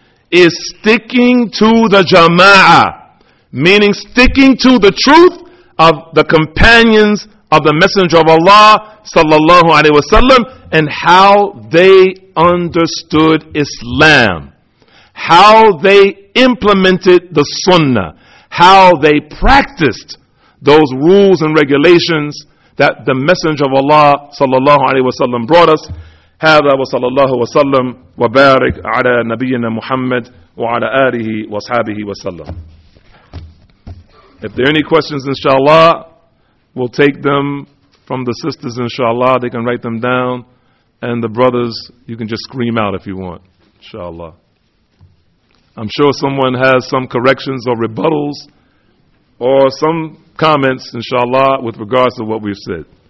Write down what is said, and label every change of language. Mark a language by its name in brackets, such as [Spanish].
[English] is sticking to the Jama'ah, meaning sticking to the truth of the companions of the Messenger of Allah sallallahu alaihi wasallam, and how they understood Islam, how they implemented the Sunnah, how they practiced those rules and regulations that the Messenger of Allah sallallahu alaihi wasallam brought us. [Arabic] هذا وصلى الله وسلم وبارك على نبينا محمد وعلى آله وصحبه وسلم. [English] If there are any questions, inshallah, we'll take them from the sisters, inshallah. They can write them down. And the brothers, you can just scream out if you want, inshallah. I'm sure someone has some corrections or rebuttals or some comments, inshallah, with regards to what we've said.